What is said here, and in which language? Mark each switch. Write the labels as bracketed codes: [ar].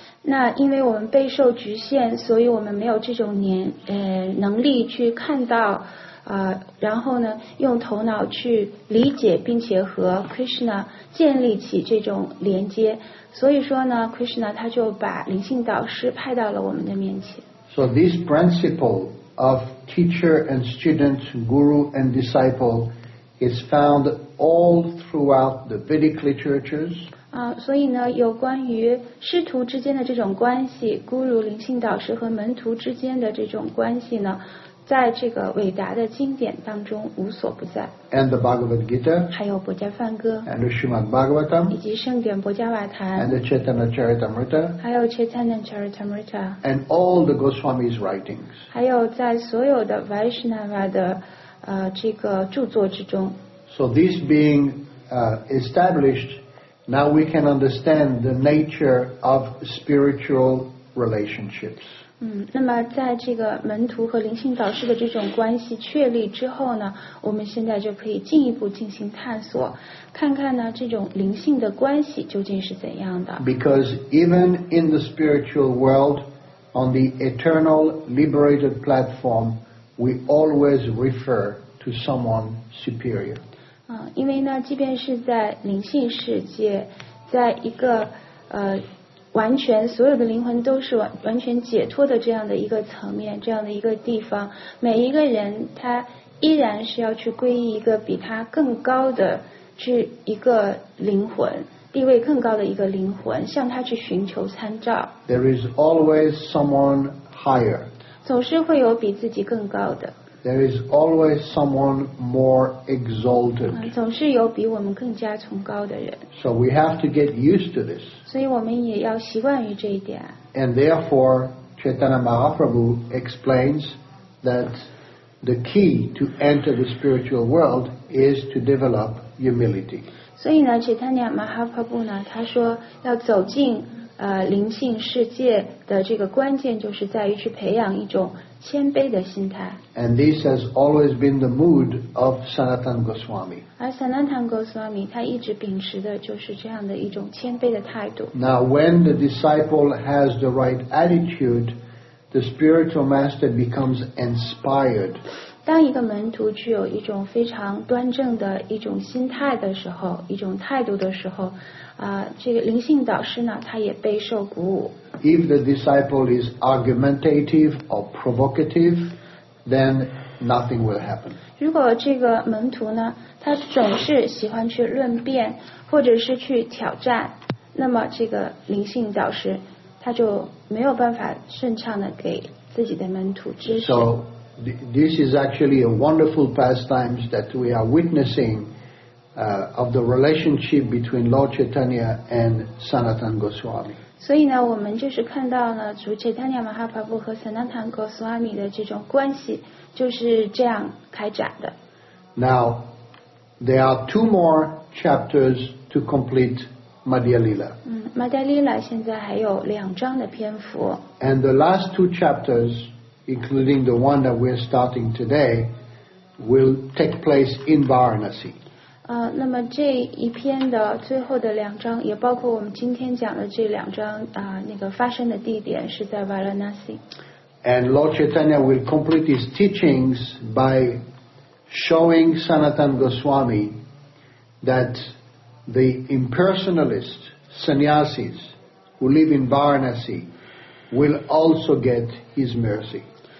[zh] 那因为我们备受局限，所以我们没有这种能力去看到然后呢用头脑去理解并且和 Krishna 建立起这种连接，所以说呢 Krishna 他就把灵性导师派到了我们的面前。 [en] So this principle of teacher and student, guru and disciple is found all throughout the Vedic literatures。 [zh] 所以呢有关于师徒之间的这种关系，孤儒灵性导师和门徒之间的这种关系呢，在这个伟达的经典当中无所不在。 [en] And the Bhagavad Gita, [zh] 还有薄伽梵歌。 [en] And the Srimad Bhagavatam, [zh] 以及圣典薄伽瓦坛。 [en] And the Chaitanya Charitamrita, [zh] 还有 Chaitanya Charitamrita。 [en] And all the Goswami's writings, [zh] 还有在所有的 Vaishnava 的这个著作之中。 [en] So this being established, now we can understand the nature of spiritual relationships。 [zh] 那么在这个门徒和灵性导师的这种关系确立之后呢，我们现在就可以进一步进行探索，看看呢这种灵性的关系究竟是怎样的。 [en] Because even in the spiritual world, on the eternal liberated platform, we always refer to someone superior. [zh] 因为呢即便是在灵性世界，在一个完全所有的灵魂都是完全解脱的这样的一个层面，这样的一个地方，每一个人他依然是要去皈依一个比他更高的去一个灵魂，地位更高的一个灵魂，向他去寻求参照。 [en] There is always someone higher, [zh] 总是会有比自己更高的。 [en] There is always someone more exalted, [zh] 总是有比我们更加崇高的人。 [en] So we have to get used to this, [zh] 所以我们也要习惯于这一点。 [en] And therefore, Chaitanya Mahaprabhu explains that the key to enter the spiritual world is to develop humility. [zh] 所以呢 Chaitanya Mahaprabhu 呢他说要走进灵性世界的这个关键就是在于去培养一种谦卑的心态。 [en] And this has always been the mood of Sanatana Goswami. [zh] 而 Sanatana Goswami 他一直秉持的就是这样的一种谦卑的态度。 [en] Now when the disciple has the right attitude, the spiritual master becomes inspired. [zh] 当一个门徒具有一种非常端正的一种心态的时候，一种态度的时候，这个灵性导师呢他也备受鼓舞。 [en] If the disciple is argumentative or provocative, then nothing will happen. [zh] 如果这个门徒呢他总是喜欢去论辩或者是去挑战，那么这个灵性导师他就没有办法顺畅的给自己的门徒支持。 [en] So this is actually a wonderful pastime that we are witnessingof the relationship between Lord Chaitanya and Sanatana Goswami. [zh] 所以呢我们就是看到呢主 Chaitanya Mahaprabhu 和 Sanatana Goswami 的这种关系就是这样开展的。 [en] Now there are two more chapters to complete Madhya Lila. [zh] Madhya Lila 现在还有两章的篇幅。 [en] And the last two chapters, including the one that we're starting today, will take place in Varanasi. [zh] 那么这一篇的最后的两章也包括我们今天讲的这两章那个发生的地点是在 Varanasi。 [en] And Lord Chaitanya will complete his teachings by showing Sanatana Goswami that the impersonalist sannyasis who live in Varanasi will also get his mercy。